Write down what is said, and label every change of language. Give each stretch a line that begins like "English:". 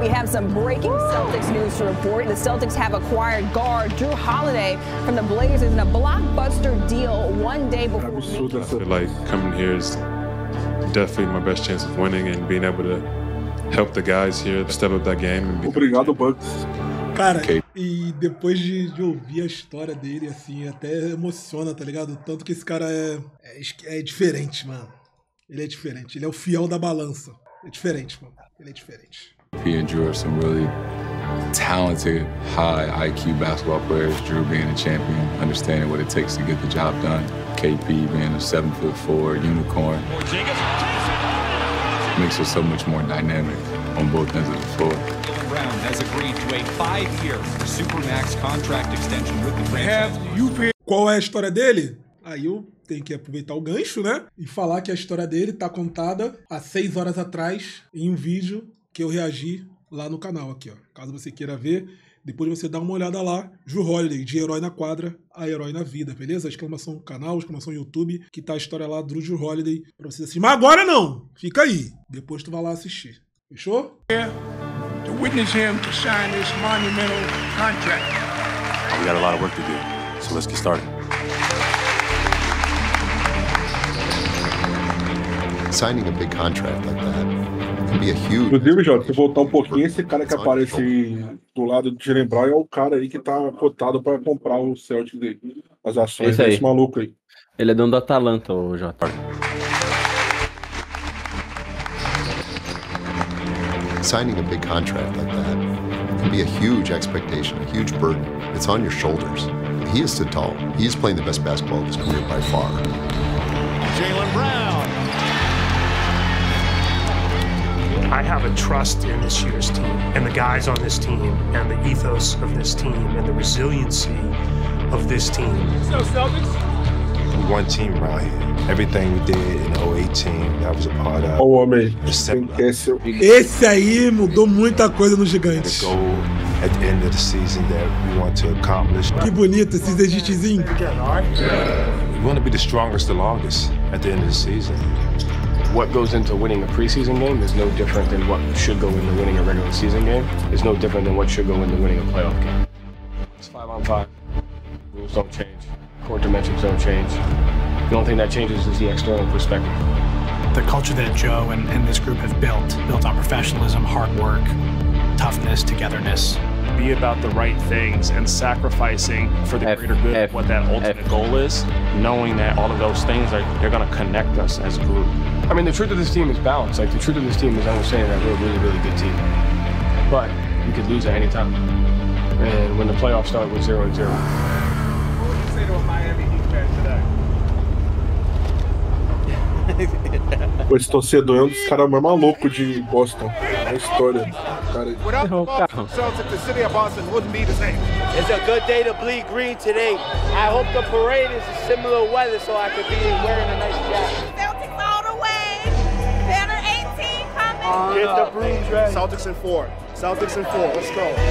English: We have some breaking Celtics news to report. The Celtics have acquired guard Drew Holiday from the Blazers in a blockbuster deal one day before. Like, coming here is definitely my best chance of winning and being able to help the guys here step up that game. And
Portuguese: obrigado, Bucks. Cara, okay. E depois de ouvir a história dele, assim, até emociona, tá ligado? Tanto que esse cara é diferente, mano. Ele é diferente. Ele é o fiel da balança. É diferente, mano. Ele é diferente.
English: He and Drew are some really talented, high IQ basketball players. Drew being a champion, understanding what it takes to get the job done. KP being a 7'4" unicorn. Makes us so much more dynamic on both ends of the floor. Brown has agreed to a 5-year Supermax contract extension with the franchise. Have you been...
Portuguese: Qual é a história dele? Aí eu tenho que aproveitar o gancho, né? E falar que a história dele tá contada há 6 horas atrás em um vídeo que eu reagi lá no canal, aqui, ó. Caso você queira ver, depois você dá uma olhada lá. Drew Holiday, de herói na quadra a herói na vida, beleza? Exclamação canal, exclamação YouTube, que tá a história lá do Drew Holiday pra você assistir. Mas agora não! Fica aí! Depois tu vai lá assistir. Fechou?
English: To witness him to sign this monumental contract. We got a lot of work to do, so let's get started. Signing a big contract like that.
Portuguese: Inclusive, Jorge, se voltar um pouquinho, esse cara que aparece do lado de Jalen Brown é o cara aí que tá cotado pra comprar o Celtic dele. As ações aí. Desse maluco aí. Ele é dono do Atalanta, o Jota.
English: Signing a big contract like that can be a huge expectation, a huge burden. It's on your shoulders. He is too tall. He is playing the best basketball of his career by far. Jalen Brown! I have a trust in this year's team and the guys on this team and the ethos of this team and the resiliency of this team. So Celtics, to one team around here. Everything we did in 2018, that was a part of.
Portuguese: O homem. Esse aí mudou muita coisa no Gigantes.
English: The goal at the end of the season that we want to accomplish.
Portuguese: Que bonito esses editizinhos.
English: We want to be the strongest, the longest at the end of the season. What goes into winning a preseason game is no different than what should go into winning a regular season game. It's no different than what should go into winning a playoff game. It's 5-on-5. Rules don't change. Court dimensions don't change. The only thing that changes is the external perspective. The culture that Joe and this group have built on professionalism, hard work, toughness, togetherness. Be about the right things and sacrificing for the greater good of what that ultimate goal is, knowing that all of those things they're going to connect us as a group. I mean, the truth of this team is balance. Like, the truth of this team is, I was saying that we're a really, really good team. But you could lose at any time. And when the playoffs start, we're 0-0. What would you say to a Miami Heat fan today?
Portuguese: Esse torcedor é um dos caras mais malucos de Boston. Na história. Cara.
English: It's a good day to bleed green today. I hope the parade is a similar weather so I could be wearing a nice jacket. Celtics all the way. Banner 18 coming. Get the broom dress. Celtics in four. Celtics in four. Let's go.